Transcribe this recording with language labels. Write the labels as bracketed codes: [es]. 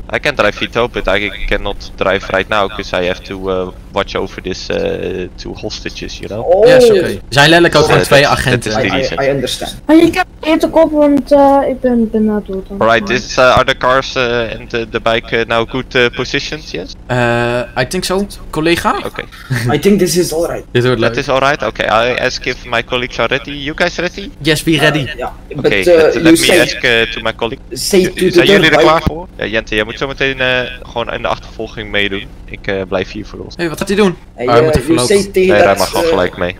[en] I can drive Vito, but I cannot drive right now, because I have to watch over this two hostages, you know? Oh, yes, okay. Yes. [nl] Zijn letterlijk ook gewoon twee agenten. [en] I understand. [nl] Maar ik heb eerst de kop, want ik ben benadrukt. [en] Alright, are the cars and the bike now good positioned, yes? I think so, collega. Okay. I think this is alright. [nl] Dit wordt leuk. [en] That is alright, okay. I ask if my colleagues are ready. You guys ready? Yes, we ready. Okay, but let me ask to my colleague. Say to the [nl] zijn jullie er klaar voor? Ja, Jente, jij moet zo meteen gewoon in de achtervolging meedoen. Ik blijf hier voor ons. Hé, wat gaat hij doen? Hij moet even lopen. Nee, hij mag al gelijk mee.